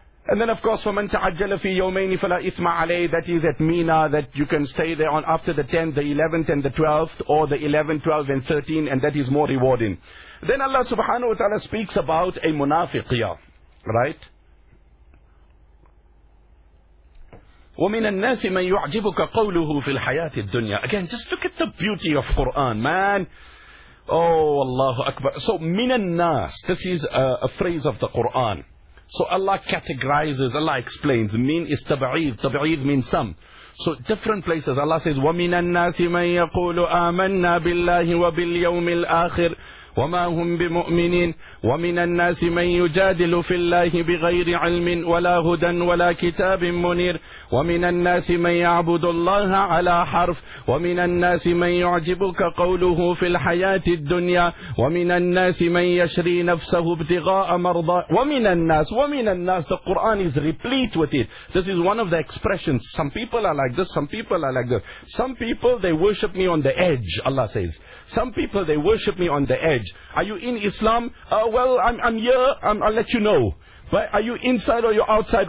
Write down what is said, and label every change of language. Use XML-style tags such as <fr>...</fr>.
<en>And then, of course,</en> <ar>فَمَنْ تَعَجَّلَ فِي يَوْمَيْنِ فَلَا إِثْمَ عَلَيْهِ.</ar> <en>That is at Mina, that you can stay there on after the 10th, the 11th and the 12th, or the 11th, 12th and 13th, and that is more rewarding. Then Allah subhanahu wa ta'ala speaks about a munafiqiyah, right?</en> <ar>وَمِنَ النَّاسِ مَنْ يُعْجِبُكَ قَوْلُهُ فِي الْحَيَاةِ الدُّنْيَا.</ar> <en>Again, just look at the beauty of Quran, man. Oh, Allahu Akbar. So,</en> <ar>مِنَ النَّاسِ,</ar> <en>this is a phrase of the Quran. So Allah categorizes, Allah explains, min is tab'id, tab'id means some. So different places, Allah says,</en> <ar>وَمِنَ النَّاسِ مَنْ يَقُولُ آمَنَّا بِاللَّهِ وَبِالْيَوْمِ الْآخِرِ وَمَا هُمْ بِمُؤْمِنِينَ وَمِنَ النَّاسِ مَنْ يُجَادِلُ فِي اللَّهِ بِغَيْرِ عِلْمٍ وَلَا هُدًى وَلَا كِتَابٍ مُنِيرٍ وَمِنَ النَّاسِ مَنْ يَعْبُدُ اللَّهَ عَلَى حَرْفٍ وَمِنَ النَّاسِ مَنْ يُعْجِبُكَ قَوْلُهُ فِي الْحَيَاةِ الدُّنْيَا وَمِنَ النَّاسِ مَنْ يَشْرِي نَفْسَهُ ابْتِغَاءَ مَرْضَاتِ. وَمِنَ النَّاسِ.</ar> <en>The Quran is replete with it. This is one of the expressions. Some people are like this, some people are like this. Some people, they worship me on the edge, Allah says. Some people, they worship me on the edge. Are you in Islam? Well, I'm here, I'll let you know. But are you inside or you're outside?</en>